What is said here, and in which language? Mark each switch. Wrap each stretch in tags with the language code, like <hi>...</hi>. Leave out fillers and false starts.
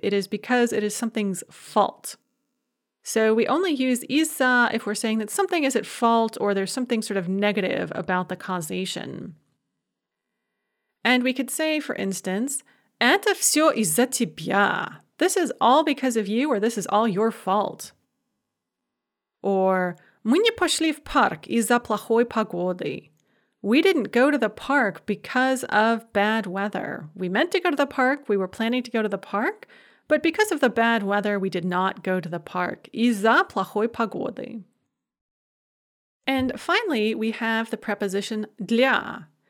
<en>It is because it is something's fault. So we only use is za if we're saying that something is at fault or there's something sort of negative about the causation. And we could say, for instance,</en> <ru>это все из-за тебя.</ru> <en>This is all because of you, or this is all your fault.</en> <ru>Or мы не пошли в парк из-за плохой погоды.</ru> <en>We didn't go to the park because of bad weather. We meant to go to the park, we were planning to go to the park, but because of the bad weather, we did not go to the park.</en> <ru>Из-за плохой погоды.</ru> <en>And finally, we have the preposition для.</en>